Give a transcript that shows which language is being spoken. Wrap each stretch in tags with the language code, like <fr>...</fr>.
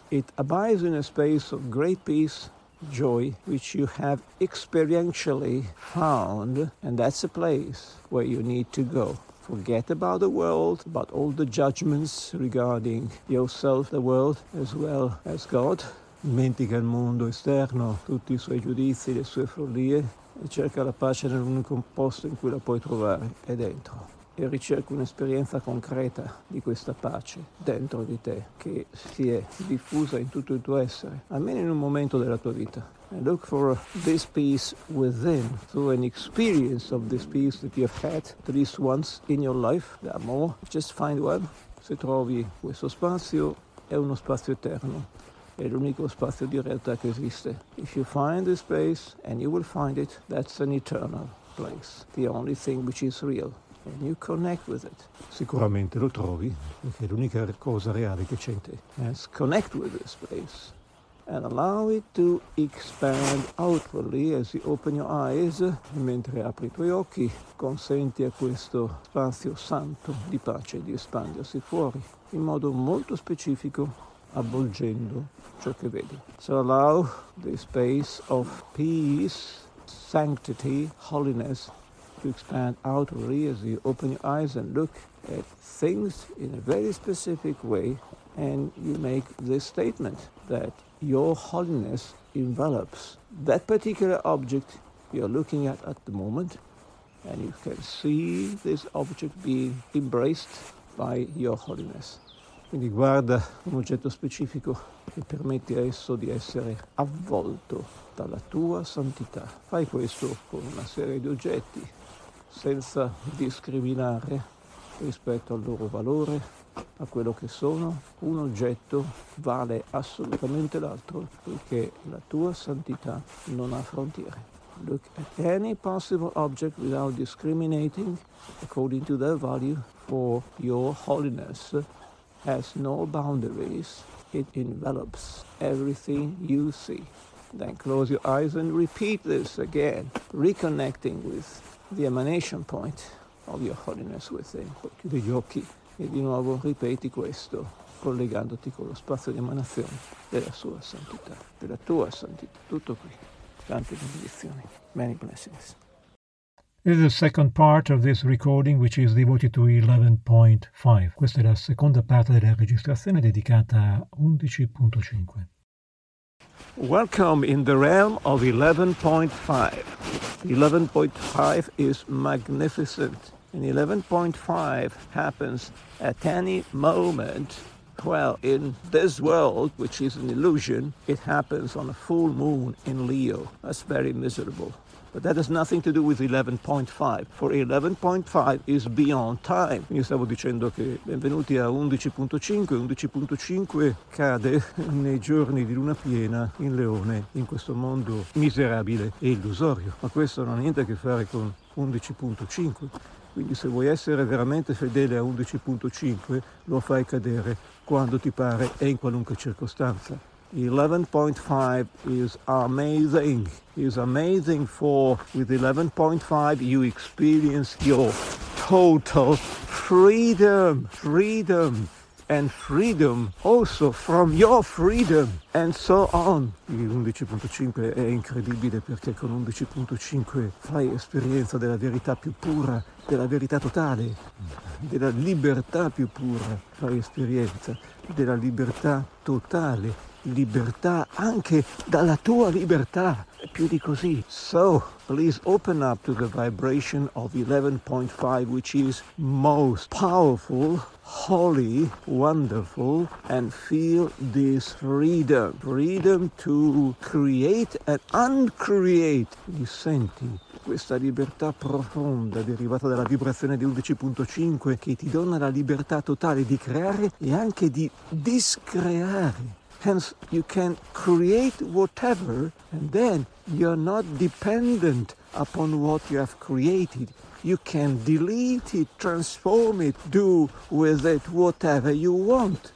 <en>It abides in a space of great peace, joy, which you have experientially found, and that's a place where you need to go. Forget about the world, about all the judgments regarding yourself, the world, as well as God.</en> <it>Dimentica il mondo esterno, tutti i suoi giudizi, le sue follie, e cerca la pace nell'unico posto in cui la puoi trovare, è dentro. E ricerca un'esperienza concreta di questa pace dentro di te, che si è diffusa in tutto il tuo essere, almeno in un momento della tua vita.</it> <en>And look for this peace within, through an experience of this peace that you have had at least once in your life. There are more. Just find one.</en> <it>Se trovi questo spazio, è uno spazio eterno. È l'unico spazio di realtà che esiste.</it> <en>If you find this space, and you will find it, that's an eternal place. The only thing which is real. And you connect with it.</en> <it>Sicuramente lo trovi, perché è l'unica cosa reale che c'è in te.</it> <en>Yes, connect with this space. And allow it to expand outwardly as you open your eyes.</en> <it>Mentre apri i tuoi occhi, consenti a questo spazio santo di pace di espandersi fuori in modo molto specifico, avvolgendo ciò che vedi.</it> <en>So allow the space of peace, sanctity, holiness to expand outwardly as you open your eyes and look at things in a very specific way, and you make this statement that your holiness envelops that particular object you're looking at the moment, and you can see this object being embraced by your holiness.</en> <it>Quindi guarda un oggetto specifico che permette a esso di essere avvolto dalla tua santità. Fai questo con una serie di oggetti, senza discriminare rispetto al loro valore, a quello che sono. Un oggetto vale assolutamente l'altro, poiché la tua santità non ha frontiere.</it> <en>Look at any possible object without discriminating according to their value, for your holiness has no boundaries. It envelops everything you see. Then close your eyes and repeat this again, reconnecting with the emanation point of your holiness within.</en> <it>Chiudi gli occhi e di nuovo ripeti questo, collegandoti con lo spazio di emanazione della sua santità, della tua santità. Tutto qui. Tante benedizioni.</it> <en>Many blessings. This is the second part of this recording, which is devoted to 11.5.</en> <it>Questa è la seconda parte della registrazione dedicata a 11.5.</it> <en>Welcome in the realm of 11.5. 11.5 is magnificent. And 11.5 happens at any moment. Well, in this world, which is an illusion, it happens on a full moon in Leo. That's very miserable. But that has nothing to do with 11.5, for 11.5 is beyond time.</en> <it>Io stavo dicendo che benvenuti a 11.5, 11.5 cade nei giorni di luna piena in Leone, in questo mondo miserabile e illusorio. Ma questo non ha niente a che fare con 11.5. Quindi se vuoi essere veramente fedele a 11.5, lo fai cadere quando ti pare e in qualunque circostanza.</it> <en>11.5 is amazing. It is amazing, for with 11.5 you experience your total freedom. Freedom. And freedom also from your freedom. And so on.</en> <it>11.5 è incredibile, perché con 11.5 fai esperienza della verità più pura, della verità totale, della libertà più pura. Fai esperienza della libertà totale. Libertà anche dalla tua libertà, più di così.</it> <en>So, please open up to the vibration of 11.5, which is most powerful, holy, wonderful, and feel this freedom. Freedom to create and uncreate.</en> <it>Quindi senti questa libertà profonda derivata dalla vibrazione di 11.5 che ti dona la libertà totale di creare e anche di discreare.</it> <en>Hence, you can create whatever, and then you're not dependent upon what you have created. You can delete it, transform it, do with it whatever you want.</en>